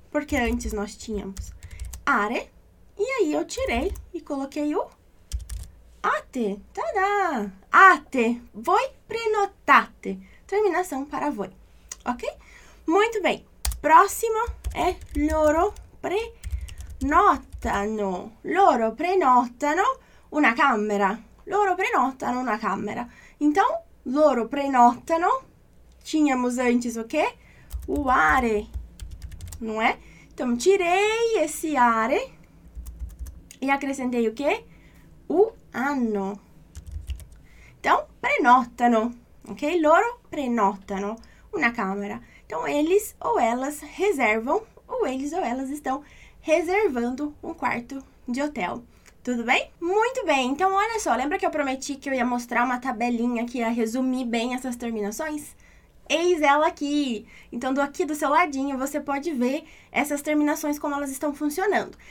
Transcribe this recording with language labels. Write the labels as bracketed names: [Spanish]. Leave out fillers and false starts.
[Portuguese] Porque antes nós tínhamos are. E aí eu tirei e coloquei o ate. Tadá! Ate. Voi prenotate. Terminação para voi. Ok? Muito bem. Próximo é loro prenotate. [Italian] Notano, loro prenotano una camera. Loro prenotano una camera. [Portuguese] Então, loro prenotano. Tínhamos antes o quê? O are, não é? Então, tirei esse are e acrescentei o quê? O anno. Então, prenotano, ok? [Italian] Loro prenotano una camera. [Portuguese] Então, eles ou elas reservam, ou eles ou elas estão reservando um quarto de hotel. Tudo bem? Muito bem. Então, olha só, lembra que eu prometi que eu ia mostrar uma tabelinha que ia resumir bem essas terminações? Eis ela aqui. Então, do aqui do seu ladinho, você pode ver essas terminações como elas estão funcionando.